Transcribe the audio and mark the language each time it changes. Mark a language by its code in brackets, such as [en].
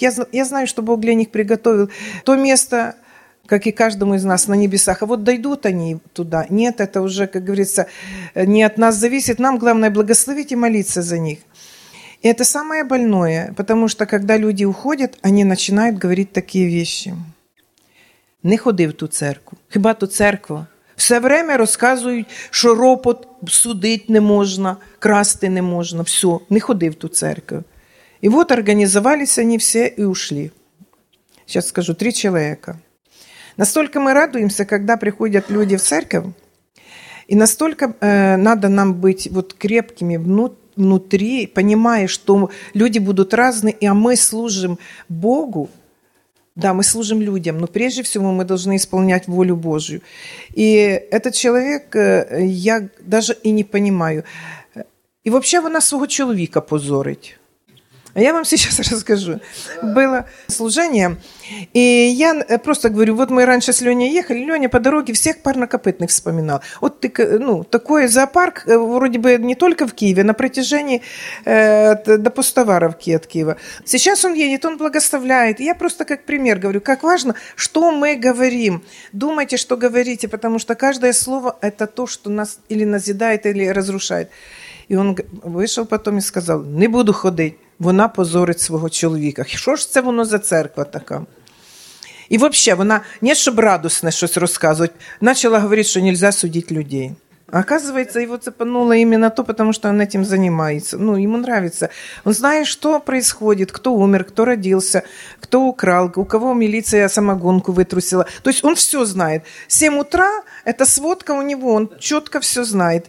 [ru] Я знаю, что Бог для них приготовил то место, как и каждому из нас на небесах. А вот дойдут они туда. Нет, это уже, как говорится, не от нас зависит. Нам главное благословить и молиться за них. И это самое больное, потому что когда люди уходят, они начинают говорить такие вещи. [uk] Не ходи в ту церкву. Хіба ту церкву? Все время розказують, що ропот судити не можна, красти не можна. Все, не ходи в ту церкву. І от організувалися вони всі і ушли. Зараз скажу, 3 чоловіка. Настільки ми радуємося, коли приходять люди в церкву, і настільки треба нам бути [ru] вот, крепкими внутри, понимая, что люди будут разные, а мы служим Богу, да, мы служим людям, но прежде всего мы должны исполнять волю Божию. И этот человек, я даже и не понимаю. [uk] И вообще вона свого чоловіка позорить. [ru] А я вам сейчас расскажу. Было служение, и я просто говорю, вот мы раньше с Леней ехали, Леня по дороге всех парнокопытных вспоминал. Вот ты, такой зоопарк, вроде бы не только в Киеве, на протяжении до Пустоваровки от Киева. Сейчас он едет, он благословляет. Я просто как пример говорю, как важно, что мы говорим. Думайте, что говорите, потому что каждое слово – это то, что нас или назидает, или разрушает. И он вышел потом и сказал, не буду ходить. [uk] Вона позорить свого чоловіка. Що ж це воно за церква така? И вообще, вона не щоб радісно щось розказувати, почала говорити, що нельзя судити людей. [ru] Оказывается, его цепануло именно то, потому что он этим занимается. Ну, ему нравится. Он знает, что происходит, кто умер, кто родился, кто украл, у кого милиция самогонку вытрусила. То есть он все знает. 7 утра – это сводка у него, он четко все знает.